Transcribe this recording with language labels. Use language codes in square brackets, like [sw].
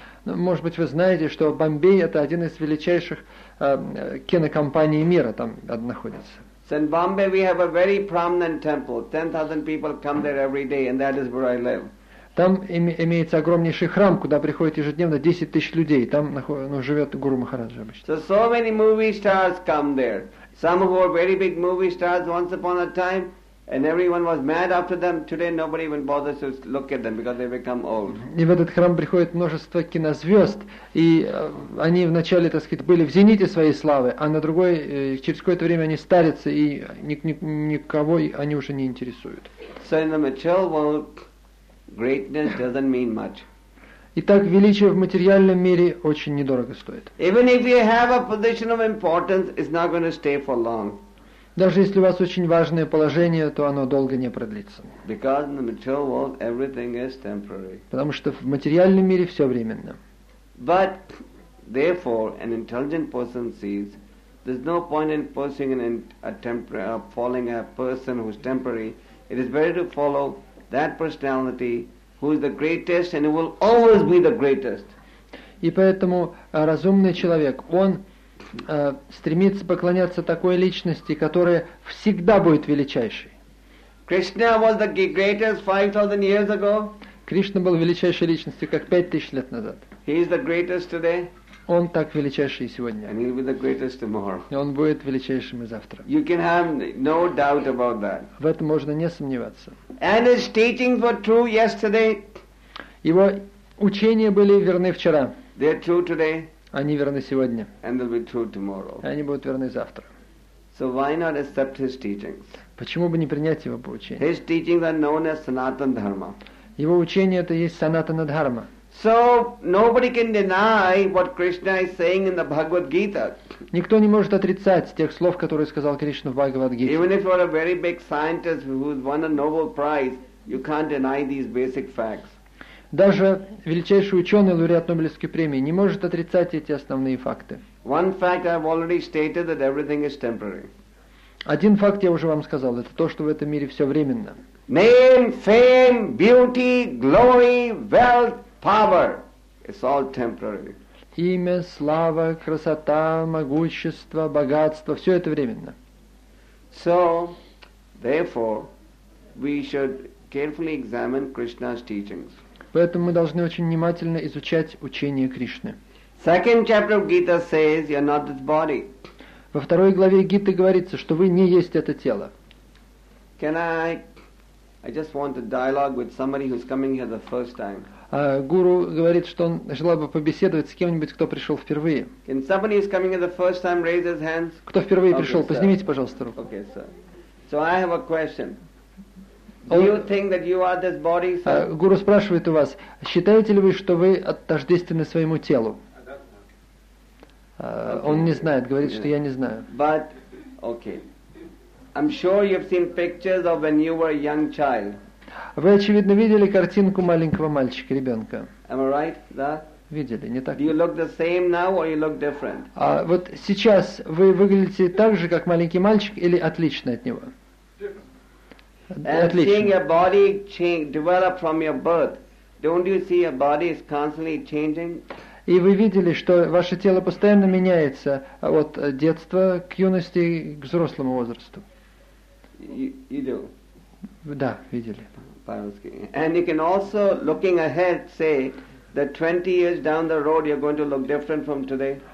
[ru] Ну, может быть, вы знаете, что Бомбей это один из величайших кинокомпаний мира там находится. [en] So in Bombay we have a very prominent temple. 10,000 people come there every day, and that is where I live. [ru] Там имеется огромнейший храм, куда приходит ежедневно 10 тысяч людей. Там живет Гуру Махараджа обычно. [en] So, so many movie stars come there. Some who are very big movie stars once upon a time, and everyone was mad after them. Today nobody even bothers to look at them because they become old. [ru] И в этот храм приходит множество кинозвезд, и они вначале, так сказать, были в зените своей славы, а на другой, через какое-то время они старятся, и никого они уже не интересуют. [en] So in the material world, greatness doesn't mean much. [ru] Итак, величие в материальном мире очень недорого стоит. [en] Even if you have a position of importance, it's not going to stay for long. [ru] Даже если у вас очень важное положение, то оно долго не продлится. [en] Because in the material world, everything is temporary. [ru] Потому что в материальном мире все временно. [en] But therefore, an intelligent person sees there's no point in pursuing following a person who's temporary. It is better to follow that personality who is the greatest and who will always be the greatest. [ru] И поэтому разумный человек, он стремится поклоняться такой личности, которая всегда будет величайшей. [en] Krishna was the greatest 5,000 years ago. [ru] Кришна был величайшей личностью как 5,000 лет назад. [en] He is the greatest today. [ru] Он так величайший сегодня. [en] And he will be the greatest tomorrow. [ru] И он будет величайшим и завтра. [en] You can have no doubt about that. [ru] В этом можно не сомневаться. [en] And his teachings were true yesterday. [ru] Его учения были верны вчера. [en] They are true today. [ru] Они верны сегодня. [en] And they'll be true tomorrow. [ru] И они будут верны завтра. [en] So why not accept his teachings? [ru] Почему бы не принять его учение? [en] His teachings are known as Sanatan Dharma. [ru] Его учение это есть Санатана Дхарма. [en] So nobody can deny what Krishna is saying in the Bhagavad Gita. [ru] Никто не может отрицать тех слов, которые сказал Кришна в Бхагавад-гите. [en] Even if you're a very big scientist who's won a Nobel Prize, you can't deny these basic facts. [ru] Даже величайший ученый, лауреат Нобелевской премии, не может отрицать эти основные факты. [en] One fact I've already stated that everything is temporary. [ru] Один факт я уже вам сказал, это то, что в этом мире все временно. [en] Name, fame, beauty, glory, wealth, power. It's all temporary. [ru] Имя, слава, красота, могущество, богатство, все это временно. [en] So, therefore, we should carefully examine Krishna's teachings. [ru] Поэтому мы должны очень внимательно изучать учение Кришны. [en] Second chapter of Gita says, you're not this body. [ru] Во второй главе Гиты говорится, что вы не есть это тело. [en] Can I just want a dialogue with somebody who's coming here the first time. [ru] Гуру говорит, что он желал бы побеседовать с кем-нибудь, кто пришел впервые. [en] Can somebody who's coming here the first time raise his hands? [ru] Кто впервые пришел, okay, поднимите, пожалуйста, руку. [en] Okay, sir. So I have a question. Do you think that you are this body, sir? [ru] Гуру спрашивает у вас, считаете ли вы, что вы отождественны своему телу? [en] Okay. [ru] Он не знает, говорит, yeah. Что я не знаю. [en] But, okay. I'm sure you've seen pictures of when you were a young child. [ru] Вы, очевидно, видели картинку маленького мальчика, ребенка. [en] Am I right, да? [ru] Видели, не так? [en] Do you look the same now or you look different? [ru] А вот сейчас вы выглядите так же, как маленький мальчик, или отлично от него? [en] And seeing your body change, develop from your birth, don't you see your body is constantly changing? [ru] И вы видели, что ваше тело постоянно меняется от детства к юности к взрослому возрасту? [en] You do. [ru] Да, видели. [en] And you can also, looking ahead, say that 20 years down the road you're going to look different from today.